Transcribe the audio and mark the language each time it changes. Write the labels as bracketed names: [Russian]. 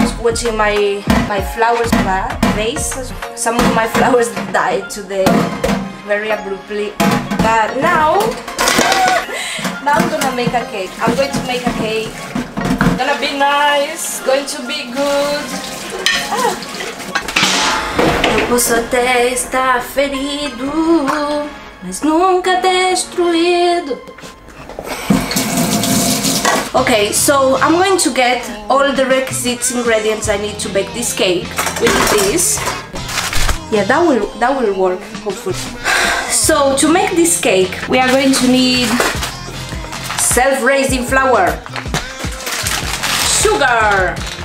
[English] Just watching my flowers vase, some of my flowers died today very abruptly. But now I'm gonna make a cake. I'm going to make a cake. It's gonna be nice, going to be good. [Portuguese] Eu posso até estar ferido, mas nunca destruído. [English] Okay, so I'm going to get all the requisite ingredients I need to bake this cake with this. Yeah, that will work, hopefully. So to make this cake, we are going to need self-raising flour, sugar.